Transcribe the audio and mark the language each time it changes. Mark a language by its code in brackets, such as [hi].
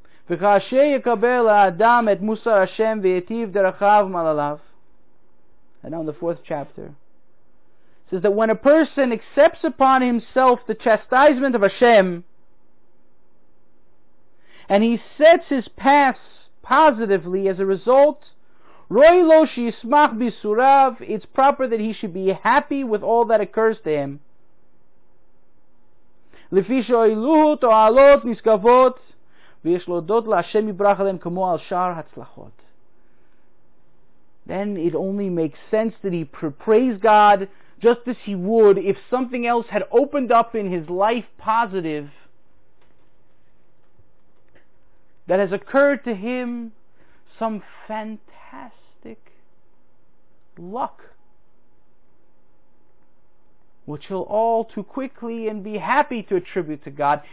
[he] וכאשר יקבל האדם את מוסר השם ויטיב דרכיו מעליו. [en] And now in the fourth chapter, it says that when a person accepts upon himself the chastisement of Hashem, and he sets his paths positively as a result, [he] רואי לו שישמח ביסוריו, [en] it's proper that he should be happy with all that occurs to him. [he] לפי שאילו תועלות נשגבות, ויש להודות להשם יברך עליהם כמו על שאר הצלחות. [en] Then it only makes sense that he praise God just as he would if something else had opened up in his life positive that has occurred to him, some fantastic luck which he'll all too quickly and be happy to attribute to God.